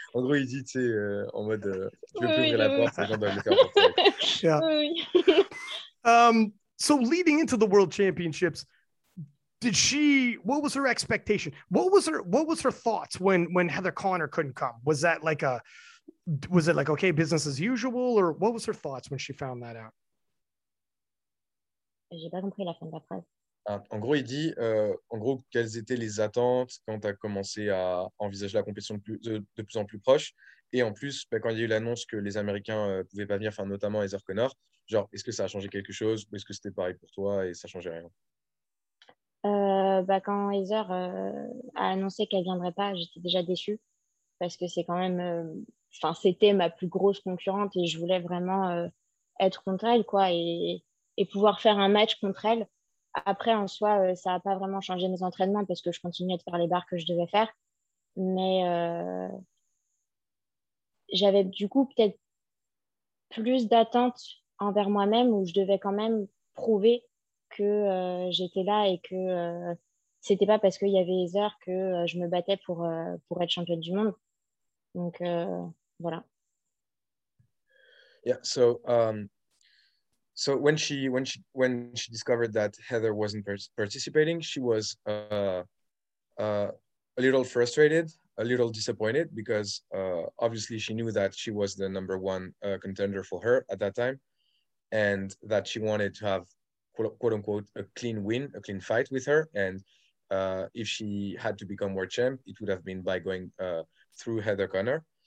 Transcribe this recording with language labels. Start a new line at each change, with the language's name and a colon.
French: En gros, il dit, tu sais, en mode, je vais plus ouvrir la porte, les gens doivent le faire pour toi.
English: Yeah. So, leading into the World Championships, what was her expectation? What was her thoughts when Heather Connor couldn't come? Was it like okay, business as usual, or what was her thoughts when she found that out?
French: J'ai pas compris la fin de la phrase. En gros, il dit, quelles étaient les attentes quand tu as commencé à envisager la compétition de plus en plus proche, et en plus, quand il y a eu l'annonce que les Américains pouvaient pas venir, enfin notamment Heather Connor, genre, est-ce que ça a changé quelque chose, ou est-ce que c'était pareil pour toi et ça changeait rien? Quand Heather a annoncé qu'elle viendrait pas, j'étais déjà déçue parce que c'est quand même. Enfin, c'était ma plus grosse concurrente et je voulais vraiment être contre elle, quoi, et pouvoir faire un match contre elle. Après, en soi, ça n'a pas vraiment changé mes entraînements parce que je continuais de faire les barres que je devais faire. Mais j'avais du coup peut-être plus d'attentes envers moi-même où je devais quand même prouver que j'étais là et que c'était pas parce qu'il y avait les heures que je me battais pour être championne du monde. Donc, voilà.
English: Yeah, so when she discovered that Heather wasn't participating, she was a little frustrated, a little disappointed, because obviously she knew that she was the number one contender for her at that time, and that she wanted to have quote unquote a clean win, a clean fight with her, and if she had to become world champ, it would have been by going through Heather Connor.